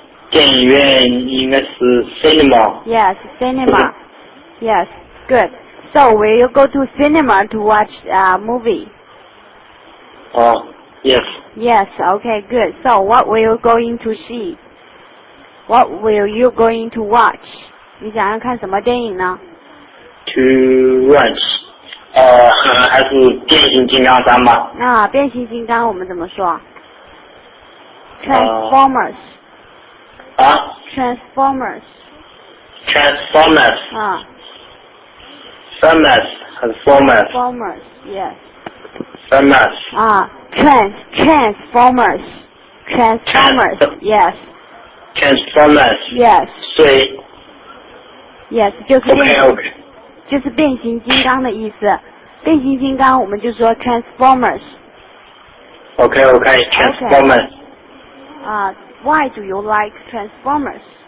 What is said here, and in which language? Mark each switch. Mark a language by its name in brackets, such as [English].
[Chinese] 电影院应该是 cinema。 [English] Yes, cinema. Yes, good. So will you go to cinema to watch a movie? Yes. Yes. Okay. Good. So what will you going to see? What will you going to watch? [Chinese] 你想要看什么电影呢？ To watch 还是变形金刚三吧。变形金刚我们怎么说？Transformers。 Transformers。 [English] Transformers。 Transformers 和 Formers。 Formers, yes. Formers。 Transformers。 Transformers, yes. Transformers. Yes. [Chinese] 所以 Yes, 就是 [English] okay. [Chinese] 就是变形金刚的意思。变形金刚我们就说 Transformers. [English] Okay. Transformers. Okay. Why do you like Transformers?